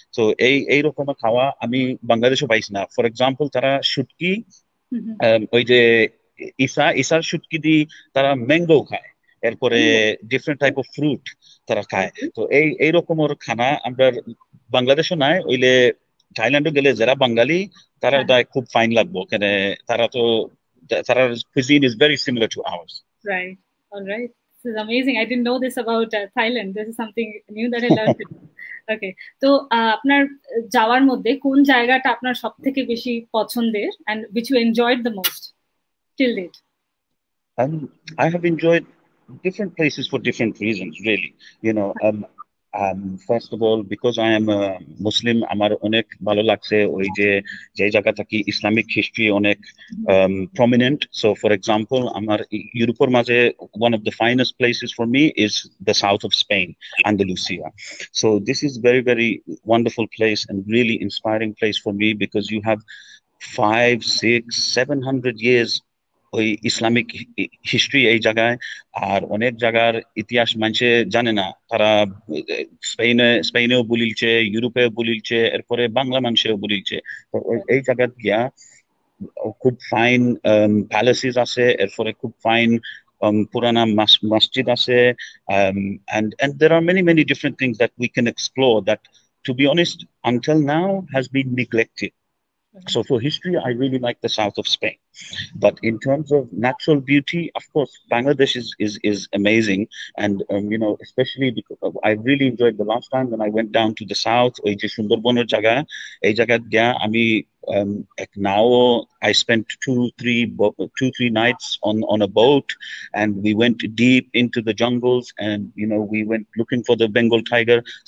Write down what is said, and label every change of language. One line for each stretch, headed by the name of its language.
Bangla: তো এই এই রকম খাওয়া আমি বাংলাদেশে পাইছি না।
English: for example
Bangla: তারা শুটকি, ওই যে ইসা ইসার শুটকি দি তারা ম্যাঙ্গো খায়, এরপরে
English: different type of fruit
Bangla: তারা খায়। তো এই এই রকমের খানা আমরা বাংলাদেশে নাই, ওইলে থাইল্যান্ডে গেলে যারা বাঙালি তারা দায় খুব ফাইন লাগবো, কেন তারা তো তারা
English: Cuisine is very similar to ours. Right. All right. This is amazing. I didn't know this about Thailand. This is something new that I learned today. Okay.
Bangla: So, আপনার যাওয়ার মধ্যে কোন জায়গাটা আপনার সব থেকে বেশি পছন্দের,
English: and which you enjoyed the most till date? I have enjoyed different places for different reasons, really. You know, first of all, because I am a Muslim,
Bangla: আমার অনেক ভালো লাগছে ওই যে যে জায়গাটা কি ইসলামিক হিস্ট্রি অনেক প্রমিনেন্ট।
English: so for example
Bangla: আমার ইউরোপের মাঝে
English: One of the finest places for me is the south of Spain, Andalusia. So this is very very wonderful place and really inspiring place for me, because you have 500, 600, 700 years
Bangla: ওই Islamic history এই জায়গায়, আর অনেক জায়গার ইতিহাস মানছে জানে না, তারা স্পেনে স্পেনেও বলিলছে, ইউরোপে বলিলছে, এরপরে বাংলা মানুষেও বলিলছে। তো এই জায়গার গিয়া খুব ফাইন প্যালেসেস আছে, এরপরে খুব ফাইন পুরানা মসজিদ আছে,
English: And and there are many many different things that we can explore, that to be honest until now has been neglected. So for history, I really like the south of Spain. But in terms of natural beauty, of course, Bangladesh is amazing. And, you know, especially because I really enjoyed the last time when I went down to the south,
Bangla: ওই যে সুন্দরবনের জায়গা, এই জায়গায় গিয়া আমি এক নাও,
English: I spent two, three nights on a boat, and we went deep into the jungles, and, you know, we went looking for the Bengal tiger.